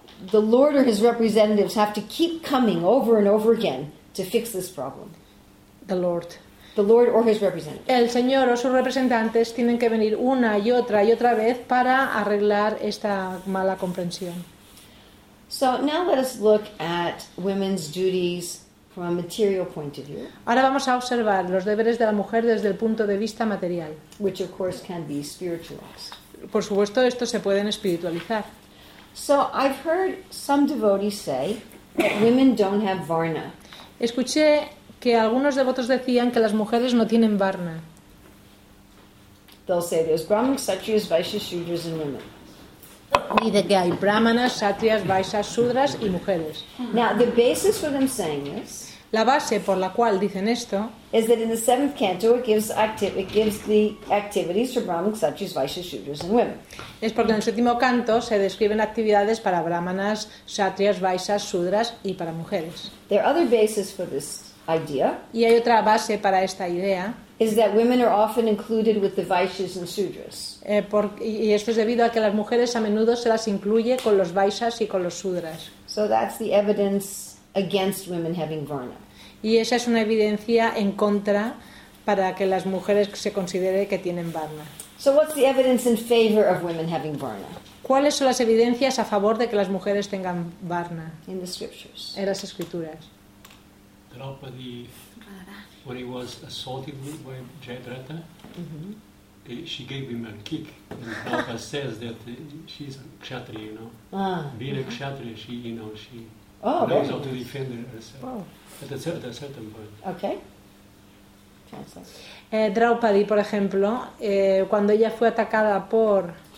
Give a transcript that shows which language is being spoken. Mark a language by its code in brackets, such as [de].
[en] The Lord or his representatives have to keep coming over and over again to fix this problem. The Lord or his representatives. [es] El Señor o sus representantes tienen que venir una y otra vez para arreglar esta mala comprensión. [en] So now let us look at women's duties from a material point of view. [es] Ahora vamos a observar los deberes de la mujer desde el punto de vista material. [en] Which of course can be spiritualized. [es] Por supuesto, estos se pueden espiritualizar. [en] So I've heard some devotees say that women don't have varna. [es] Escuché que algunos devotos decían que las mujeres no tienen varna. [en] They'll say there's Brahmin, Kshatriyas, Vaishyas, Shudras and women. [es] Dice que hay brahmanas, kshatriyas, vaishyas, shudras y mujeres. [en] Now the basis for them saying this. [es] La base por la cual dicen esto. [en] Is that in the seventh canto it gives the activities for brahmanas, kshatriyas, vaishyas, shudras and women. [es] Es porque en el séptimo canto se describen actividades para brahmanas, kshatriyas, vaishyas, shudras y para mujeres. [en] There are other bases for this idea. [es] Y hay otra base para esta idea. [en] Is that women are often included with the vaishyas and shudras. [es] Y esto es debido a que las mujeres a menudo se las incluye con los vaishyas y con los shudras. [en] So that's the evidence against women having varna. [es] Y esa es una evidencia en contra para que las mujeres se considere que tienen varna. [en] So what's the evidence in favor of women having varna? [es] ¿Cuáles son las evidencias a favor de que las mujeres tengan varna? [en] In the scriptures. [es] En las escrituras. [en] Draupadi, when he was assaulted by Jayadratha, mm-hmm. She gave him a kick. And Draupadi says that she's a kshatriya, you know. Being a kshatriya, she knows how to defend herself. Oh. At a certain point. Okay. [es] Draupadi, por ejemplo, cuando ella fue atacada por